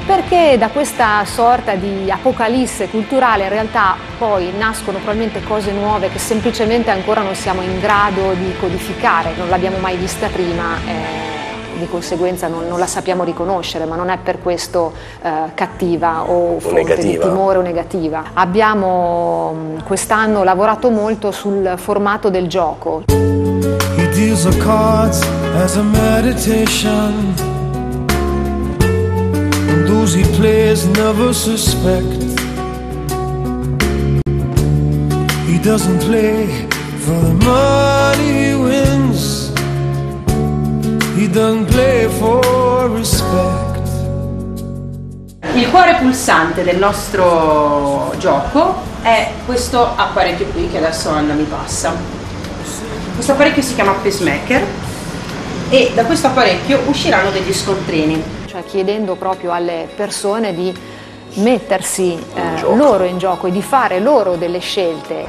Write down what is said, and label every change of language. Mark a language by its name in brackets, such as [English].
[Italian] Perché da questa sorta di apocalisse culturale in realtà poi nascono probabilmente cose nuove che semplicemente ancora non siamo in grado di codificare, non l'abbiamo mai vista prima. Di conseguenza non la sappiamo riconoscere, ma non è per questo cattiva o fonte negativa. Di timore o negativa. Abbiamo quest'anno lavorato molto sul formato del gioco. [English] He deals the cards as a meditation. And those he plays never suspect. He doesn't play for the money he wins. He don't play for respect. [Italian] Il cuore pulsante del nostro gioco è questo apparecchio qui che adesso Anna mi passa. Questo apparecchio si chiama pacemaker e da questo apparecchio usciranno degli scontrini. Cioè chiedendo proprio alle persone di mettersi loro in gioco e di fare loro delle scelte.